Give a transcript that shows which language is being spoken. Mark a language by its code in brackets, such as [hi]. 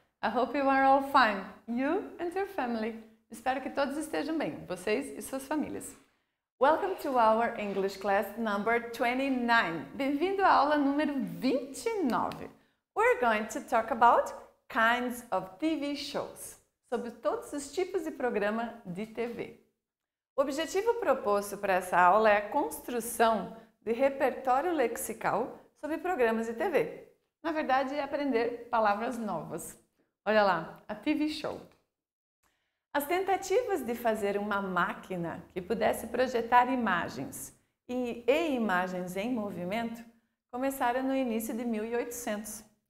[en] I hope you are all fine, you and your family. [pt] Espero que todos estejam bem, vocês e suas famílias. [en] Welcome to our English class number 29. [pt] Bem-vindo à aula número 29. [en] We're going to talk about kinds of TV shows. [pt] Sobre todos os tipos de programa de TV. O objetivo proposto para essa aula é a construção de repertório lexical sobre programas de TV. Na verdade, é aprender palavras novas. Olha lá, a TV show. As tentativas de fazer uma máquina que pudesse projetar imagens e imagens em movimento começaram no início de 1800.